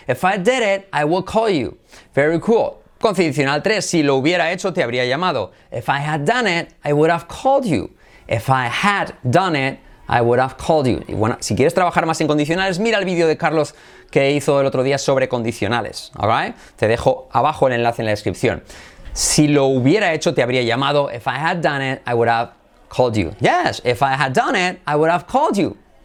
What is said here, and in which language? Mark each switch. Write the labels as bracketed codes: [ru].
[en] If I did it, I would call you. Very cool. [es] Condicional 3. Si lo hubiera hecho, te habría llamado. [en] If I had done it, I would have called you. If I had done it, I would have called you. [es] Y bueno, si quieres trabajar más en condicionales, mira el vídeo de Carlos que hizo el otro día sobre condicionales, ¿alright? Te dejo abajo el enlace en la descripción. Si lo hubiera hecho, te habría llamado. [en] If I had done it, I would have called you. Yes, if I had done it, I would have called you.